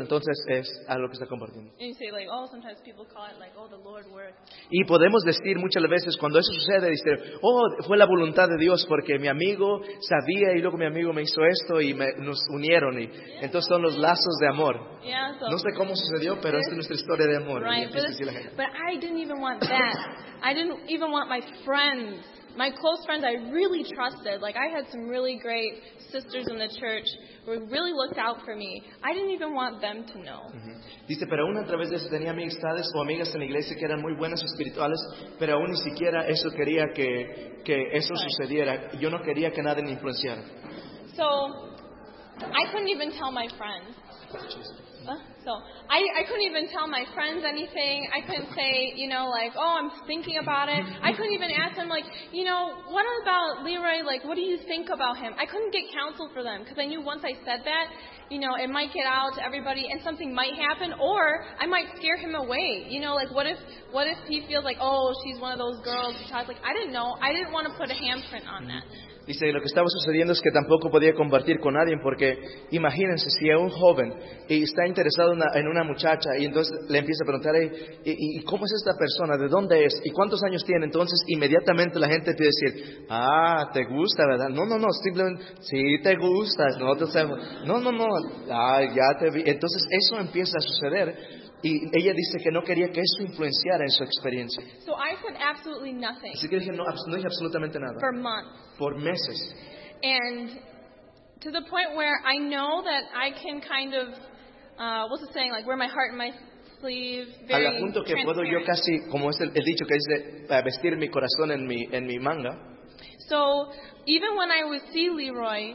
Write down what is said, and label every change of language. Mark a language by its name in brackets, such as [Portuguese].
[Spanish] Entonces es algo que está compartiendo. [English] And you say, like, oh, sometimes people call it like, oh, the Lord works. [Spanish] Y podemos decir muchas veces cuando eso sucede, dice, oh, fue la voluntad de Dios, porque mi amigo sabía y luego mi amigo me hizo esto y nos unieron. Y entonces son los lazos de amor. No sé cómo sucedió, pero esta es nuestra historia de amor. [English] But I didn't even want that. I didn't even want my friends, my close friends I really trusted. Like, I had some really great sisters in the church who really looked out for me. I didn't even want them to know. [Spanish] Dice, pero aún a través de eso tenía amistades o amigas en la iglesia que eran muy buenas espirituales, pero aún ni siquiera eso quería que eso sucediera. Yo no quería que nadie me influenciara. [English] So I couldn't even tell my friends. I couldn't even tell my friends anything. I couldn't say, you know, like, oh, I'm thinking about it. I couldn't even ask them, like, you know, what about Leroy? Like, what do you think about him? I couldn't get counsel for them because I knew once I said that, you know, it might get out to everybody and something might happen, or I might scare him away. You know, like, what if he feels like, oh, she's one of those girls? Like, I didn't know. I didn't want to put a handprint on that. [Spanish] Dice, lo que estaba sucediendo es que tampoco podía compartir con nadie, porque imagínense si es un joven y está interesado en una muchacha y entonces le empieza a preguntar, ¿y cómo es esta persona? ¿De dónde es? ¿Y cuántos años tiene? Entonces inmediatamente la gente empieza a decir, ah, ¿te gusta, verdad? No, simplemente, sí te gustas, no te sabemos. No, ah, ya te vi. Entonces eso empieza a suceder. Y ella dice que no quería que eso influenciara en su experiencia. [English] So I said absolutely nothing. [Spanish] Así que dije, no dije absolutamente nada. [English] For months. [Spanish] Por meses. [English] And to the point where I know that I can kind of, what's the saying, like wear my heart in my sleeve, very transparent. [Spanish] Al punto que puedo yo casi, como es el dicho que dice, vestir mi corazón en mi manga. [English] So even when I would see Leroy,